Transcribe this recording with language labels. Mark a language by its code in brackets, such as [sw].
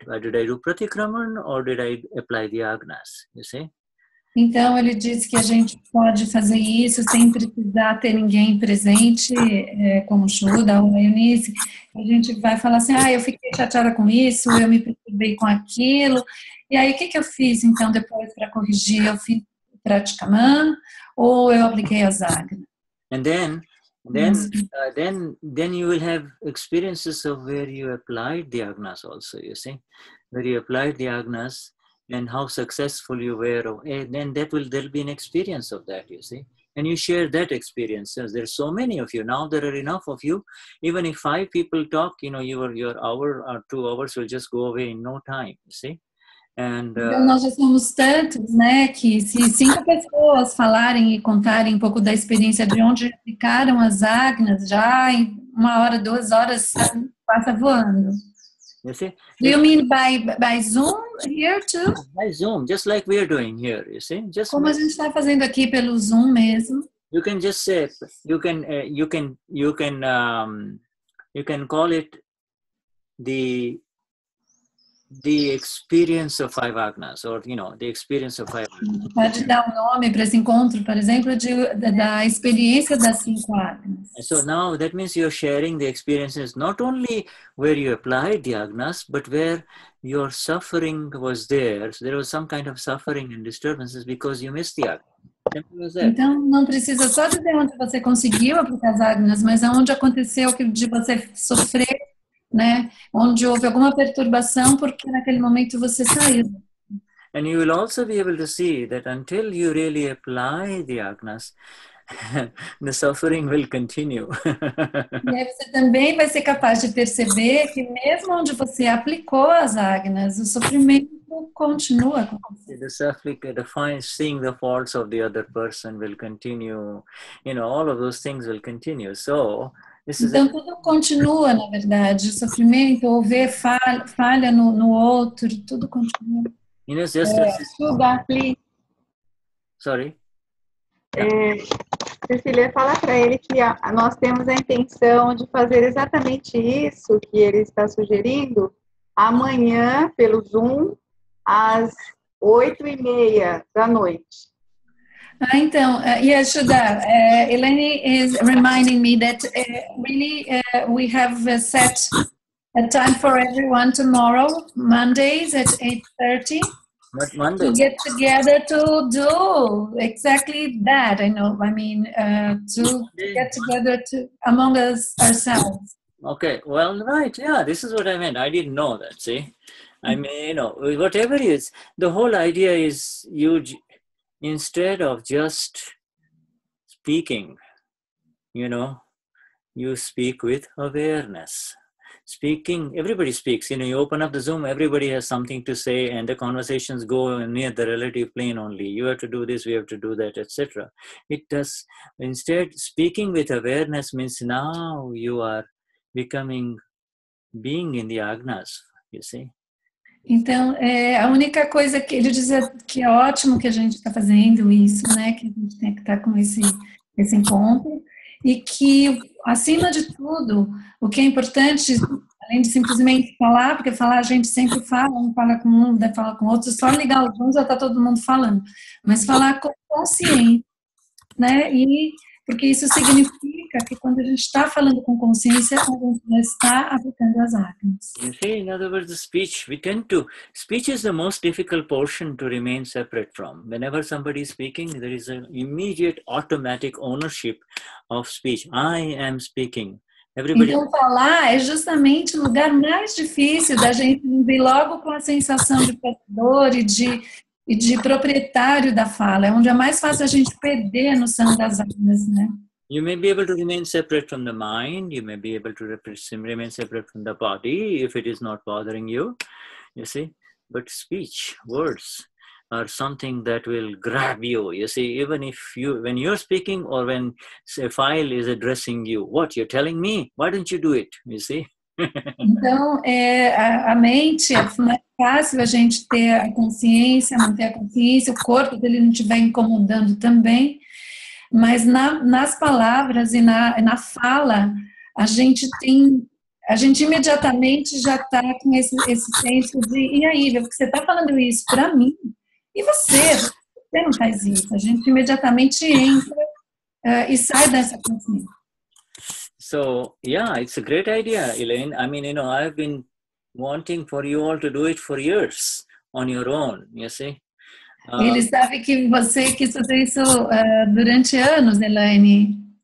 [en] Did I do pratikraman or did I apply the agnas, you see? [pt] Então, ele disse que a gente pode fazer isso sem precisar ter ninguém presente, como o Shuddha ou a Eunice. A gente vai falar assim, ah, eu fiquei chateada com isso, eu me preocupei com aquilo. E aí, o que, que eu fiz, então, depois para corrigir? Eu fiz pratyaksha ou eu apliquei a agna? [en] And then you will have experiences of where you applied the agnas also, you see? Where you applied the agnas. And how successful you were, and then there'll be an experience of that, you see. And you share that experience. There's so many of you. Now there are enough of you. Even if five people talk, you know, your hour or 2 hours will just go away in no time, you see. And [pt] nós já somos tantos, né, que se cinco pessoas falarem e contarem um pouco da experiência de onde ficaram as agnas, já em [en] 1 hour, 2 hours [pt] passa voando. [en] You see? Do you mean by Zoom here too? By Zoom, just like we are doing here, you see? Just [pt] como a gente está fazendo aqui pelo Zoom mesmo. [en] You can just say, you can call it the experience of five agnas, or, you know, the experience of five agnas. [pt] Pode dar um nome para esse encontro, por exemplo, da experiência das cinco agnas. [en] So now that means you're sharing the experiences not only where you applied the agnas, but where your suffering was there. So there was some kind of suffering and disturbances because you missed the agnas. [pt] Então, não precisa só dizer onde você conseguiu aplicar as agnas, mas aonde aconteceu que de você sofrer, né? Onde houve alguma perturbação porque naquele momento você saiu. [en] And you will also be able to see that until you really apply the agnas, the suffering will continue. [pt] E aí você também vai ser capaz de perceber que mesmo onde você aplicou as agnas, o sofrimento continua com você. [en] The suffering, the fine, seeing the faults of the other person will continue. You know, all of those things will continue. So [pt] então, tudo continua, na verdade. O sofrimento, ou ver falha no outro, tudo continua. [en] Inês, just Shuddha, please. Sorry. [pt] Cecília, fala para ele que nós temos a intenção de fazer exatamente isso que ele está sugerindo amanhã, pelo Zoom, às 8:30 da noite. Ah, então, [en] yes, Shuddha, Eleni is reminding me that really we have set a time for everyone tomorrow, Mondays at 8:30, Monday. To get together to do exactly that, I know, I mean, to get together to among us ourselves. Okay, well, right, yeah, this is what I meant, I didn't know that, see, I mean, you know, whatever it is, the whole idea is huge. Instead of just speaking, you know, you speak with awareness. Speaking, everybody speaks. You know, you open up the Zoom, everybody has something to say, and the conversations go near the relative plane only. You have to do this, we have to do that, etc. It does. Instead, speaking with awareness means now you are becoming being in the agnas, you see. [pt] Então, a única coisa que ele diz é que é ótimo que a gente está fazendo isso, né? Que a gente tem que estar com esse encontro. E que, acima de tudo, o que é importante, a Além de simplesmente falar, porque falar a gente sempre fala, um fala com um, deve falar com outro, só ligar o Zoom já está todo mundo falando. Mas falar com consciência, né? E porque isso significa que quando a gente está falando com consciência, a gente já está aplicando as Agnas. [en] In other words, speech, we tend to, speech is the most difficult portion to remain separate from. Whenever somebody is speaking, there is an immediate automatic ownership of speech. I am speaking. Everybody... [pt] Então, falar é justamente o lugar mais difícil da gente vir logo com a sensação de portador e de proprietário da fala. É onde é mais fácil a gente perder a noção das almas, né? [en] You may be able to remain separate from the mind, you may be able to remain separate from the body, if it is not bothering you, you see? But speech, words, are something that will grab you. You see, even if you, when you're speaking or when a file is addressing you, what, you're telling me? Why don't you do it? You see? [pt] Então, a mente, é mais fácil a gente ter a consciência, manter a consciência, o corpo dele não estiver incomodando também, mas nas palavras e na fala, a gente imediatamente já está com esse senso de, e aí, porque você está falando isso para mim, e você não faz isso, a gente imediatamente entra e sai dessa consciência. [en] So, yeah, it's a great idea, Elaine. I mean, you know, I've been wanting for you all to do it for years on your own, you see. [pt] Ele sabe que você quis fazer isso durante anos, Elaine.